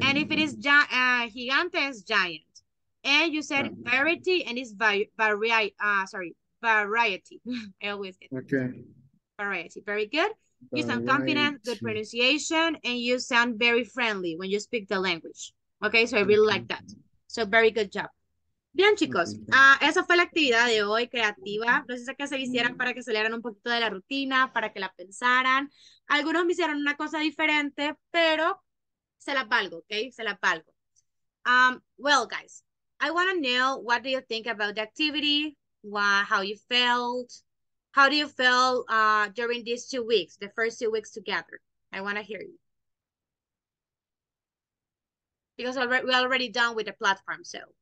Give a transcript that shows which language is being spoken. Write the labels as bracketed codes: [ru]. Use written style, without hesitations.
[en] And if it is gigante, it's giant. And you said variety, and it's variety. I always get okay. Variety, very good. Variety. You sound confident, good pronunciation, and you sound very friendly when you speak the language. Okay, so I really like that. So very good job. [es] Bien, chicos, esa fue la actividad de hoy, creativa. Necesito que se hicieran para que salieran un poquito de la rutina, para que la pensaran. Algunos me hicieron una cosa diferente, pero se las valgo, ¿ok? Se las valgo. [en] Well, guys, I want to know, what do you think about the activity? How you felt? How do you feel during these 2 weeks, the first 2 weeks together? I want to hear you. Because we're already done with the platform, so.